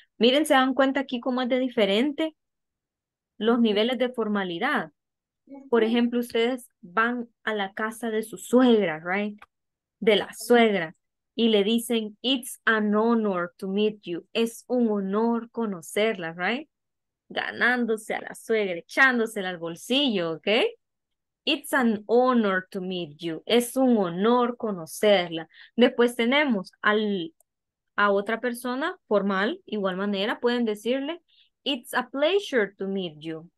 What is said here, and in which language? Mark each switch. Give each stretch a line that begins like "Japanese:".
Spanish: Miren, se dan cuenta aquí cómo es de diferente los niveles de formalidad. Por ejemplo, ustedes van a la casa de su suegra, right? De la suegra, y le dicen,
English: it's an honor to meet you.
Spanish: Es un honor conocerla, right? Ganándose a la suegra, echándosela al bolsillo, ¿ok?
English: It's an honor to meet you.
Spanish: Es un honor conocerla. Después tenemos a otra persona formal, igual manera, pueden decirle,
English: it's a pleasure to meet you.